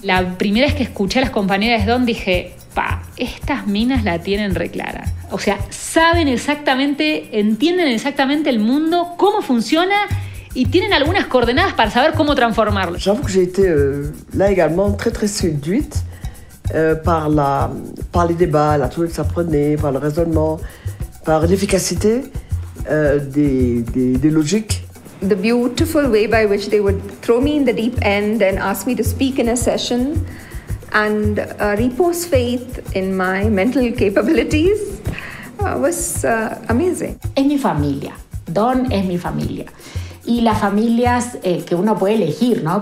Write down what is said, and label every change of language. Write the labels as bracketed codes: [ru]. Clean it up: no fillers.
[es] La primera vez que escuché a las compañeras de Dawn, dije, pa, estas minas la tienen re clara. O sea, saben exactamente, entienden exactamente el mundo, cómo funciona, y tienen algunas coordenadas para saber cómo transformarlo. [fr] J'avoue que j'ai été là également très très séduite par les débats, la tournure que ça prenait, par le raisonnement, par l'efficacité. Des logiques. [en] The beautiful way by which they would throw me in the deep end and ask me to speak in a session and repose faith in my mental capabilities was amazing. [es] Es mi familia. Dawn es mi familia. Y las familias que uno puede elegir, ¿no?